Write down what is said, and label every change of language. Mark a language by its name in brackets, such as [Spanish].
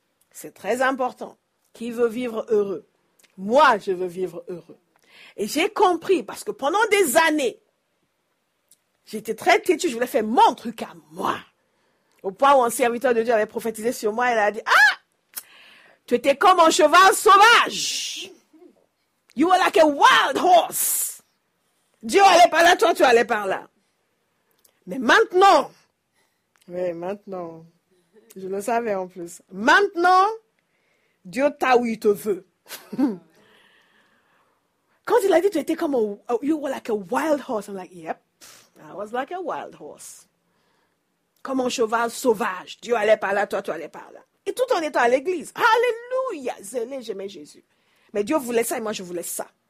[French] C'est très important. Qui veut vivre heureux? Moi, je veux vivre heureux. Et j'ai compris parce que pendant des années, j'étais très têtue, je voulais faire mon truc à moi. Au point où un serviteur de Dieu avait prophétisé sur moi, il a dit, ah, tu étais comme un cheval sauvage. [English] You were like a wild horse. [French] Dieu allait par là, toi, tu allais par là. Mais maintenant, oui, maintenant, je le savais en plus. Maintenant, Dieu t'a où il te veut. Quand il a dit, tu étais comme [English] you were like a wild horse, I'm like, yep. I was like a wild horse. [French] Comme un cheval sauvage. Dieu allait par là, toi, tu allais par là. Et tout en étant à l'église. Alléluia! Zélé, j'aimais Jésus. Mais Dieu voulait ça et moi, je voulais ça.